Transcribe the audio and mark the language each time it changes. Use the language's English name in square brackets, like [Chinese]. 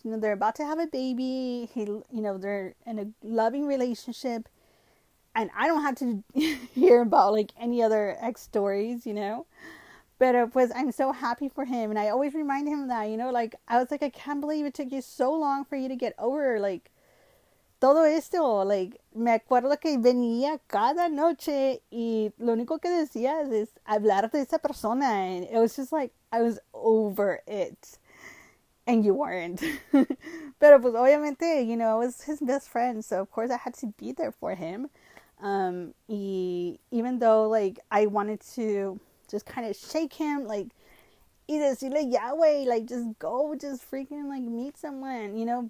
[English] You know, they're about to have a baby. He, you know, they're in a loving relationship, and I don't have to hear about like any other ex stories, you know. But it was, I'm so happy for him, and I always remind him that, you know, like I was like, I can't believe it took you so long for you to get over, like. [Spanish] Todo esto, like, me acuerdo que venía cada noche y lo único que decías es hablar de esa persona. [English] And it was just like, I was over it. And you weren't. [Spanish] Pero pues obviamente, [English] you know, I was his best friend, so of course I had to be there for him. Y even though, like, I wanted to just kind of shake him, like, [Spanish] y decirle, ya, güey, [English] like, just go, just freaking, like, meet someone, you know?